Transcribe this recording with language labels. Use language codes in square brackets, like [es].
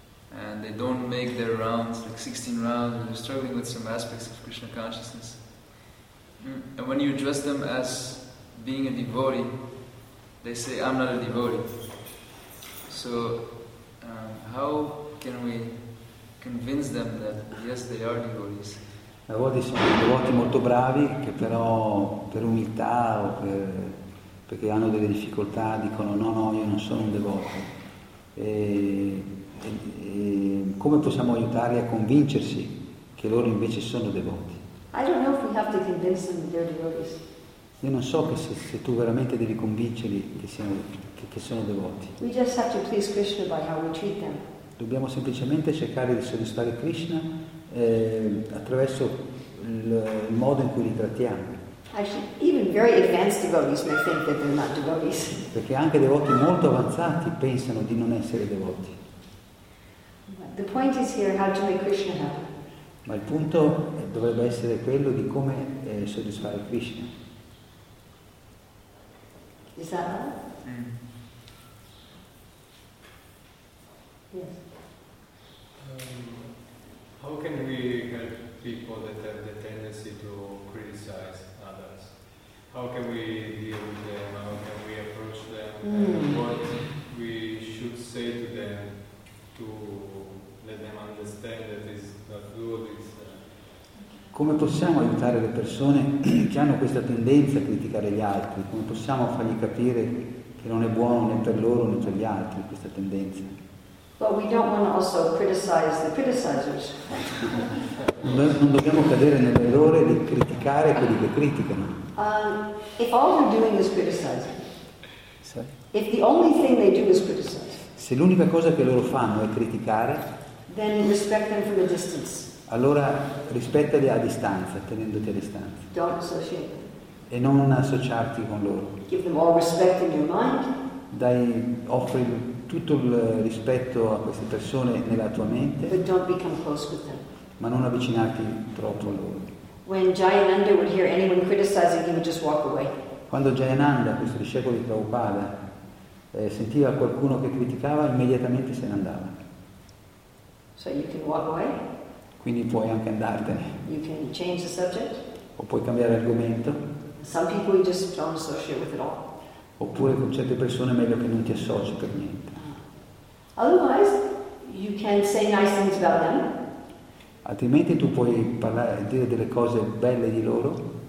[en] And they don't make their rounds, like 16 rounds, and they're struggling with some aspects of Krishna consciousness. And when you address them as being a devotee, they say, I'm not a devotee. So, how can we convince them that, yes, they are devotees? [it] A volte sono devoti molto bravi, che però per umiltà o perché hanno delle difficoltà dicono, no, io non sono un devoto. E come possiamo aiutarli a convincersi che loro invece sono devoti? [en] I don't know if we have to convince them that they're devotees. [it] Io non so che se tu veramente devi convincerli che sono devoti. [en] We just have to please Krishna by how we treat them. [it] Dobbiamo semplicemente cercare di soddisfare Krishna attraverso il modo in cui li trattiamo. [en] Actually, even very advanced devotees may think that they're not devotees. [it] Perché anche devoti molto avanzati pensano di non essere devoti. [en] The point is here how to make Krishna happy. [it] Ma il punto dovrebbe essere quello di come soddisfare Krishna. [en] Is that all? How can we help people that have the tendency to criticize others? How can we deal with them? How can we approach them? And what we should say to them to let them understand that it's not good? [it] Come possiamo aiutare le persone che hanno questa tendenza a criticare gli altri? Come possiamo fargli capire che non è buono né per loro né per gli altri questa tendenza? [en] But we don't want to also criticize the criticizers. [it] Non dobbiamo cadere nell'errore di criticare quelli che criticano. [en] If all they're doing is criticizing. Sorry. If the only thing they do is criticize. [it] Se l'unica cosa che loro fanno è criticare. [en] Then respect them from a distance. [it] Allora rispettali a distanza, tenendoti a distanza. [en] Don't associate them. [it] E non associarti con loro. [en] Give them all respect in your mind. [it] Dai, offri tutto il rispetto a queste persone nella tua mente. [en] But don't become close with them. [it] Ma non avvicinarti troppo a loro. [en] When Jayananda would hear anyone criticizing, he would just walk away. [it] Quando Jayananda, questo discepolo di Prabhupada, sentiva qualcuno che criticava, immediatamente se ne andava. [en] So you can walk away. [it] Quindi puoi anche andartene. [en] You can change the subject. [it] O puoi cambiare argomento. [en] Some people you just don't associate with at all. [it] Oppure con certe persone è meglio che non ti associ per niente. [en] Otherwise, you can say nice things about them. [it] Altrimenti tu puoi parlare, dire delle cose belle di loro.